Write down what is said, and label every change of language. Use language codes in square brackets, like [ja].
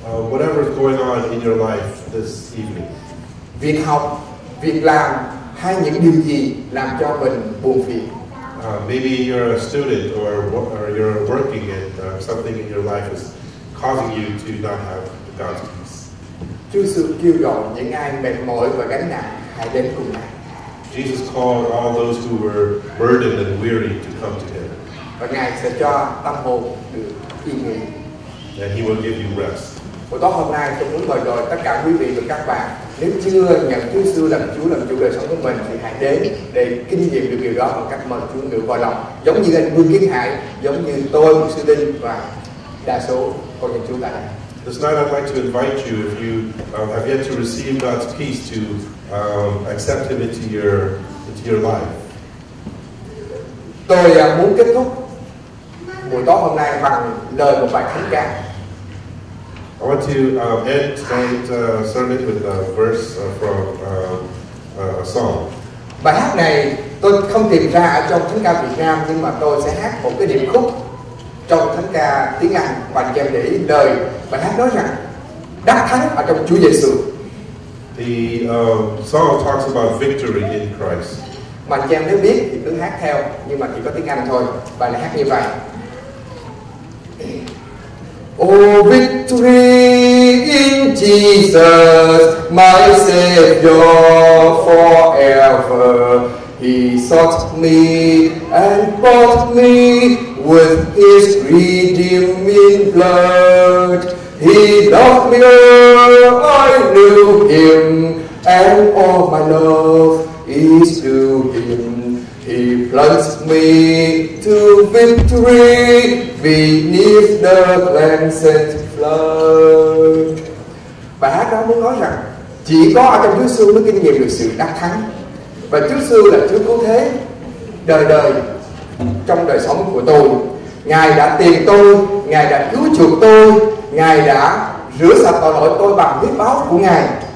[en] Whatever is going on in your life this evening. [vi] Việc học, việc làm hay những điều gì làm cho mình buồn phiền? [en] Maybe you're a student or you're working and something in your life is causing you to not have God's peace. [vi] Chúa Giêsu kêu gọi những ai mệt mỏi và gánh nặng hãy đến cùng Ngài. [en] Jesus called all those who were burdened and weary to come to Him. [vi] Và Ngài sẽ cho tâm hồn được yên nghỉ. [en] And He will give you rest. [vi] Buổi tối hôm nay tôi muốn mời gọi tất cả quý vị và các bạn nếu chưa nhận Chúa Giêsu làm Chúa làm chủ đời sống của mình thì hãy đến để kinh nghiệm được điều đó bằng cách mời Chúa ngự vào lòng giống như anh Vương Kiến Hải, giống như tôi, Mục Sư Đinh và đa số con dân Chúa tại đây. [en] This night I'd like to invite you if you have yet to receive God's peace to accept Him into your life. [vi] Tôi muốn kết thúc buổi tối hôm nay bằng lời một bài thánh ca. [en] I want to end tonight's sermon with a verse from a song. [vi] Bài hát này tôi không tìm ra ở trong thánh ca Việt Nam, nhưng mà tôi sẽ hát một cái điệp khúc trong thánh ca tiếng Anh. Bạn cho em để ý lời bài hát nói rằng đắc thắng ở trong Chúa Giêsu. [en] The song talks about victory in Christ. [vi] Bạn cho em nếu biết thì cứ hát theo, nhưng mà chỉ có tiếng Anh thôi. Bài này hát như vậy. [en] Oh, victory in Jesus, my Savior forever. He sought me and bought me with His redeeming blood. He loved me, oh, I knew Him, and all my love is to Him. He plunged me to victory beneath the cleansing flood. [vi] Bài hát đó muốn nói rằng chỉ có ở trong Chúa Giêsu mới kinh nghiệm được sự đắc thắng. Và Chúa Giêsu là Chúa cứu thế đời đời trong đời sống của tôi. Ngài đã tìm tôi, Ngài đã cứu chuộc tôi, Ngài đã rửa sạch tội lỗi tôi bằng huyết báo của Ngài.